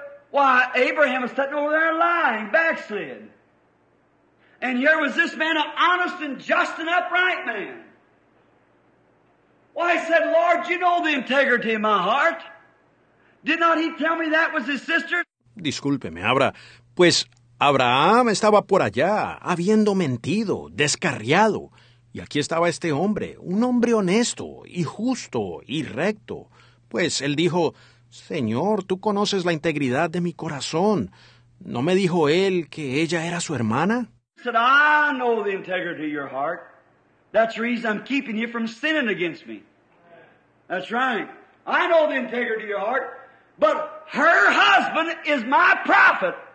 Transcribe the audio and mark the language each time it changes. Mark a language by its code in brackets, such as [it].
[en] Why, Abraham was sitting over there lying, backslid. And here was this man, an honest and just and upright man. Why, well, I said, Lord, you know the integrity of my heart. Did not he tell me that was his sister? [es] Discúlpeme, pues Abraham estaba por allá, habiendo mentido, descarriado. Y aquí estaba este hombre, un hombre honesto y justo y recto. Pues él dijo, Señor, tú conoces la integridad de mi corazón. ¿No me dijo él que ella era su hermana? [en] Said, I know the integrity of your heart. That's the reason I'm keeping you from sinning against me. That's right. I know the integrity of your heart. But her husband is my prophet.